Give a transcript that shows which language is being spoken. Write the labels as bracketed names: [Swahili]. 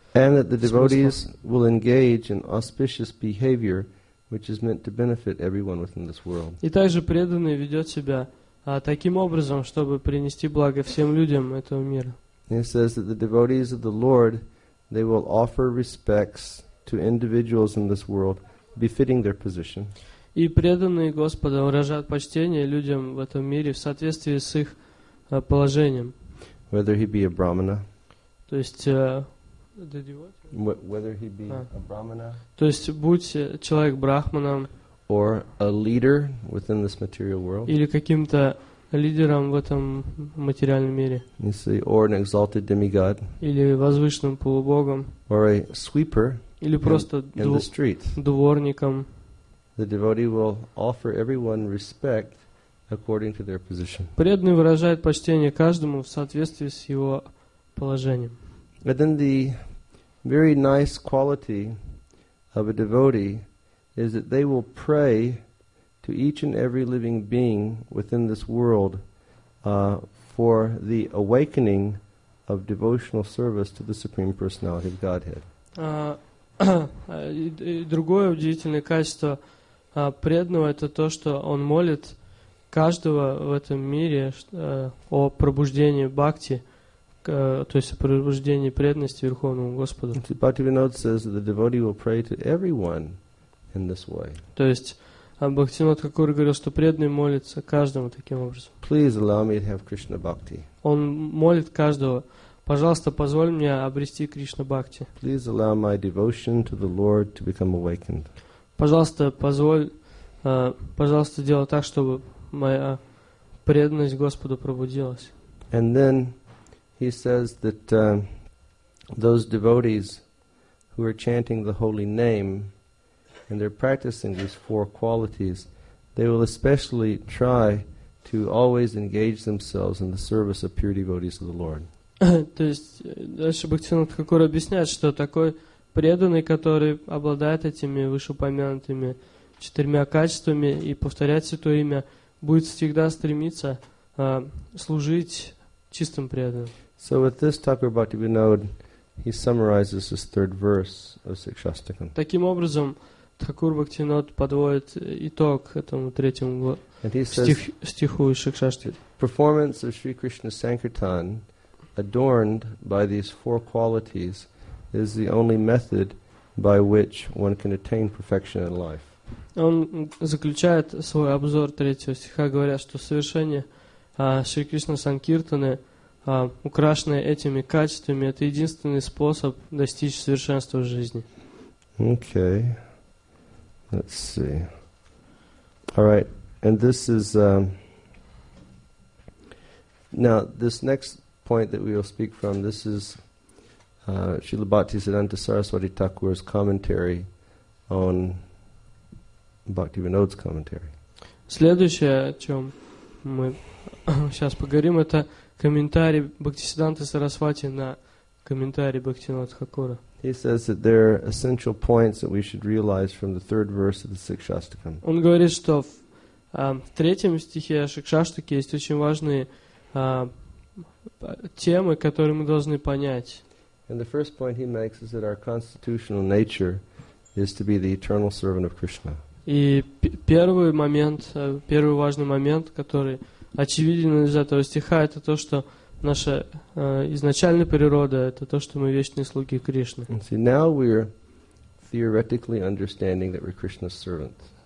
[English] And that the devotees will engage in auspicious behavior, which is meant to benefit everyone within this world. [Russian] И также преданный ведет себя таким образом, чтобы принести благо всем людям этого мира. [English] He says that the devotees of the Lord, they will offer respects to individuals in this world, befitting their position. [Russian] И преданные Господа выражают почтение людям в этом мире в соответствии с их положением. [English] Whether he be a brahmana, [Russian] то есть [English] whether he be a brahmana, [Russian] то есть будь человек брахманом, [English] or a leader within this material world, [Russian] или каким-то лидером в этом материальном мире, [English] you see, or an exalted demigod, [Russian] или возвышенным полубогом, [English] or a sweeper, [Russian] или просто [English] in the street, [Russian] дворником. [English] The devotee will offer everyone respect according to their position. [Russian] Преданный выражает почтение каждому в соответствии с его положением. [English] But then the very nice quality of a devotee is that they will pray to each and every living being within this world for the awakening of devotional service to the Supreme Personality of Godhead. [Russian] Другое удивительное качество преданного – это то, что он молит каждого в этом мире о пробуждении бхакти, то есть о пробуждении преданности Верховному Господу. [English] Bhaktivinoda says that the devotee will pray to everyone in this way. [Russian] То есть А Бхактинот Хакур говорил, что преданный молится каждому таким образом. [English] Please allow me to have Krishna bhakti. [Russian] Он молит каждого. Пожалуйста, позволь мне обрести Кришна Бхакти. [English] Please allow my devotion to the Lord to become awakened. [Russian] Пожалуйста, пожалуйста, делай так, чтобы моя преданность Господу пробудилась. [English] And then he says that those devotees who are chanting the holy name and they're practicing these four qualities, they will especially try to always engage themselves in the service of pure devotees of the Lord. [Russian] То есть дальше Бхактинат Хакур объясняет, что такой преданный, который обладает этими вышеупомянутыми четырьмя качествами и повторяет Святое Имя, будет всегда стремиться служить чистым преданным. [English] So with this Thakur Bhaktivinoda, he summarizes this third verse of Sikshastakam. [Russian] Таким образом, Thakur Bhaktivinod подводит итог этому третьему стиху из Сикшастики. [English] Performance of Sri Krishna Sankirtan adorned by these four qualities is the only method by which one can attain perfection in life. [Russian] Он заключает свой обзор третьего стиха, говоря, что совершение Шри Кришна Санкиртаны, украшенное этими качествами, это единственный способ достичь совершенства в жизни. [English] Okay. Let's see. All right. And this is now this next point that we will speak from, this is Srila Bhaktisiddhanta Saraswati Thakur's commentary on Bhaktivinoda's commentary. [Russian] Следующее, о чем мы сейчас поговорим, это комментарий Бхактисиддханты Сарасвати на комментарий Бхактивинода Хакура. [English] He says that there are essential points that we should realize from the third verse of the Sikshastakam. [Russian] Он говорит, что в третьем стихе Сикшастаки есть очень важные темы, которые мы должны понять. [English] And the first point he makes is that our constitutional nature is to be the eternal servant of Krishna. [Russian] И первый момент, первый важный момент, который очевиден из этого стиха, это то, что наша изначальная природа — это то, что мы вечные слуги Кришны. [English] See, now we're theoretically understanding that we're Krishna's servants.